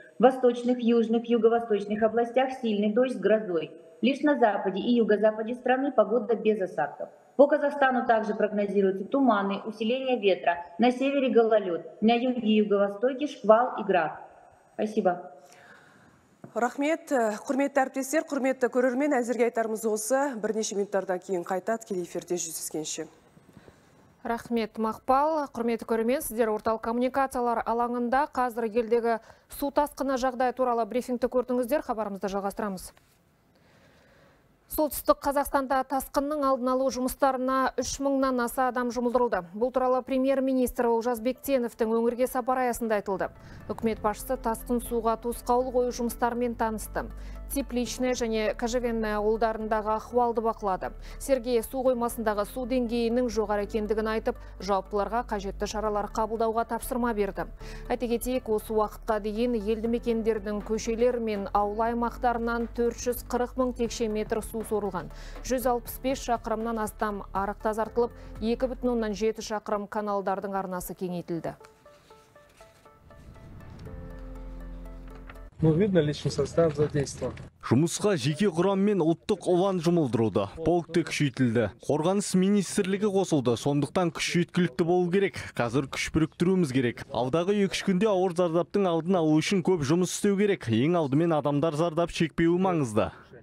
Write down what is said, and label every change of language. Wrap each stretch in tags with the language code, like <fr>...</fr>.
<ru>В восточных, южных, юго-восточных областях сильный дождь с грозой. Лишь на западе и юго-западе страны погода без осадков. По Казахстану также прогнозируются туманы, усиление ветра. На севере гололед, на юге и юго-востоке шквал и град. Спасибо.</ru> <kk>Рахмет, құрметті әріптестер, құрметті көрермен, әзірге айтарымыз осы. Бірнеше минуттардан кейін қайта тікелей эфирде жүздескенше. Рахмет, Мақпал. Құрметті көрермен, сіздер орталық коммуникациялар алаңында қазір елдегі су тасқыны жағдай туралы брифингті көрдіңіздер. Хабарымызды жалғастырамыз. Солтүстік Қазақстанда тасқынның алдын алу жұмыстарына 3000-нан аса адам жұмылдырылды. Бұл туралы премьер-министр Олжас Бектеновтің өңірге сапары аясында айтылды. Үкімет басшысы тасқын суға тосқауыл қою жұмыстарымен танысты. Тепличное және Кожевенное ауылдарындағы ахуалды бақылады. Сергей су қоймасындағы су деңгейінің жоғары екендігін айтып, жауаптыларға қажетті шаралар қабылдауға тапсырма берді. Айта кетейік, осы уақытқа дейін елді мекендердің көшелер мен ауыл аймақтарынан 440 мың текше метр су сорылған. 165 шақырымнан астам арық тазартылып, 2,7 шақырым каналдардың арнасы кеңейтілді.</kk> <ru>Видно, личный состав задействован.</ru> <kk>Жұмысқа жеке құрам мен ұлттық ұлан жұмылдыруды, полкты күшейтілді. Қорғаныс министрлігі қосылды, сондықтан күшейткілікті болу керек. Қазір күш біріктіруіміз керек. Алдағы 2-3 күнде ауыр зардаптың алдын алу үшін көп жұмыс істеу керек. Ең алдымен адамдар зардап шекпеуі маңызды.</kk>